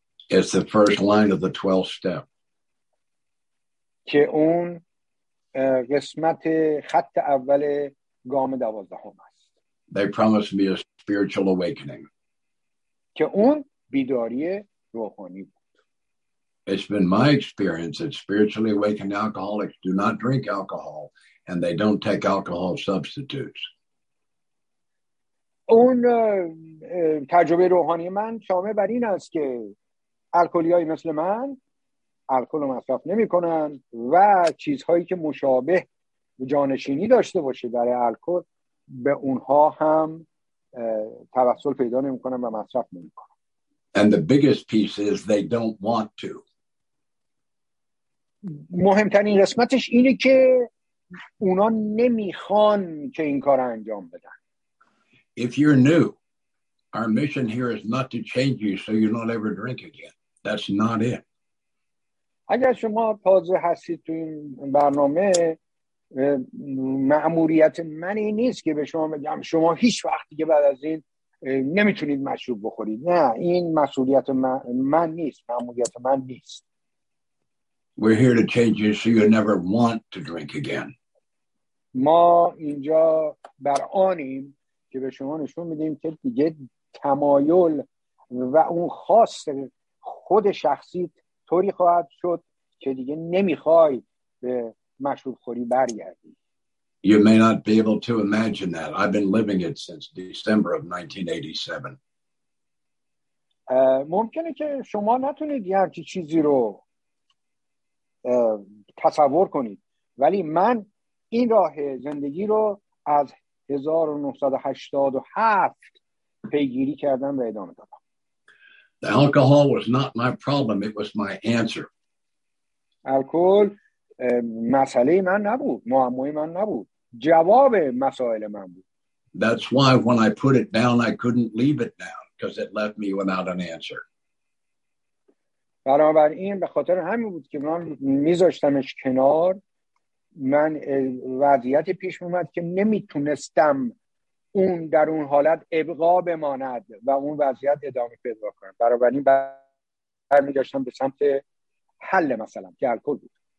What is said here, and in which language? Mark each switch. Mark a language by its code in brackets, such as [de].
[en] It's the first line of the 12th step. [fa] که اون قسمت خط اول گام دوازدهم است. [en] They promised me a spiritual awakening. [fa] که اون بیداری روحانی بود. [en] It's been my experience that spiritually awakened alcoholics do not drink alcohol and they don't take alcohol substitutes. [fa] اون تجربه روحانی من شامل بر این است که الکلی‌های مثل من الکل رو مصرف نمی کنن و چیزهایی که مشابه جانشینی داشته باشه در الکل به اونها هم توسل پیدا نمی کنن و مصرف نمی کنن. [en] And the biggest piece is they don't want to. [fa] مهمترین قسمتش اینه که اونا نمی خوان که این کار رو انجام بدن. [en] If you're new, our mission here is not to change you so you don't ever drink again. That's not it. [fa] اگر شما تازه هستید تو این برنامه مأموریت من این نیست که به شما بگم شما هیچ وقت دیگه بعد از این نمیتونید مشروب بخورید. نه این مسئولیت من نیست. مأموریت من نیست. [en] We're here to change you so you never want to drink again. [fa] ما اینجا بر آنیم که به شما نشون میدیم که دیگه تمایل و اون خاص خود شخصیت طوری خواهد شد که دیگه نمیخوای به مشروب خوری برگردی. [en] You may not be able to imagine that. I've been living it since December of 1987. [fa] ممکنه که شما نتونید یه همچی چیزی رو تصور کنید، ولی من این راه زندگی رو از 1987 پیگیری کردم و ادامه دادم. [en] The alcohol was not my problem, it was my answer. [fa] الکل مسئله من نبود، معمای من نبود، جواب مسائل من بود. [en] That's why when I put it down I couldn't leave it down, because it left me without an answer. [fa] بنابراین به خاطر همین بود که من میذاشتمش کنار، من وضعیت پیش اومد که نمیتونستم اون در اون حالت ابقا بماند و اون وضعیت ادامه پیدا کنه. بنابراین برمیگشتم به سمت حل مثلا که الکل بود.